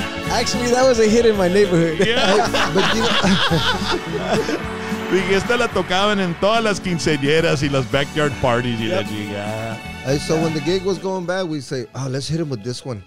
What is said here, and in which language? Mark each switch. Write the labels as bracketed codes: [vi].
[en] Actually, that was a hit in my neighborhood. [es] Y esta la tocaban en todas las quinceañeras y las backyard parties. [en] Yep. Y la When the gig was going bad, we say, oh, let's hit him with this one.